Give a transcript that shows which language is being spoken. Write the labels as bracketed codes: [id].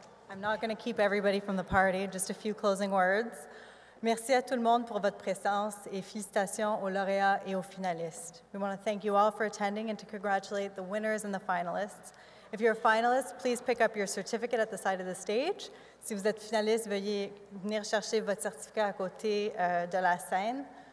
[en] I'm not going to keep everybody from the party, just a few closing words. [fr] Merci à tout le monde pour votre présence et félicitations aux lauréats et aux finalistes. [en] We want to thank you all for attending and to congratulate the winners and the finalists. If you're a finalist, please pick up your certificate at the side of the stage. [fr] Si vous êtes finaliste, veuillez venir chercher votre certificat à côté de la scène.